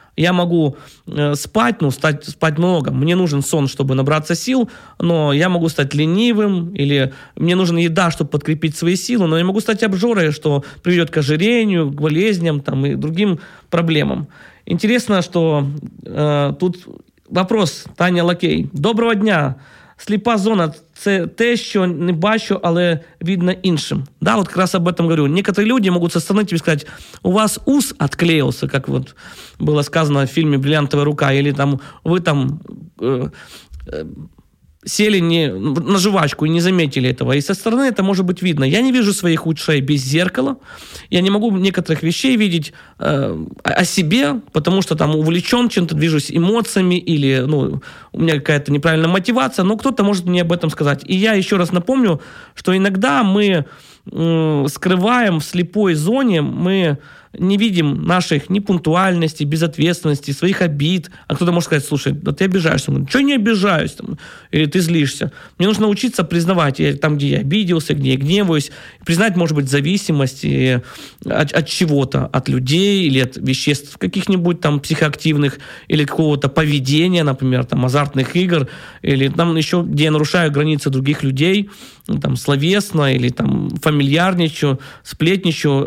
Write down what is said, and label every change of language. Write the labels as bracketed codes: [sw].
[ru] Я могу спать, ну, спать много. Мне нужен сон, чтобы набраться сил, но я могу стать ленивым, или мне нужна еда, чтобы подкрепить свои силы, но я могу стать обжорой, что приведет к ожирению, к болезням там, и другим проблемам. Интересно, что тут вопрос, Таня Лакей. Доброго дня. Слепа зона [uk] це те, що не бачу, але видно іншим. Да, от якраз [ru] об этом говорю. [uk] Некоторі люди можуть зустріти і сказати, у вас ус відклеївся, як от було сказано в фільмі «Бриллиантова рука», або там ви там сели не, на жвачку і не заметили цього. І зі сторони це може бути видно. Я не бачу своїх ушей без зеркала. Я не можу некоторих речей бачити о себе, тому що там увлечен чим-то, движусь емоціями, або ну, у мене якась неправильна мотивація. Але хтось може мені [ru] об этом [uk] сказати. І я ще раз напомню, що іноді ми скриваємо в сліпій зоні, ми не видим наших непунктуальностей, безответственности, своих обид. [ru] А кто-то может сказать, слушай, да ты обижаешься. Чего не обижаюсь? Или ты злишься? Мне нужно учиться признавать, там, где я обиделся, где я гневаюсь. Признать, может быть, зависимость от чего-то, от людей или от веществ каких-нибудь там психоактивных или какого-то поведения, например, там, азартных игр, или там еще, где я нарушаю границы других людей, там, словесно или там, фамильярничаю, сплетничаю.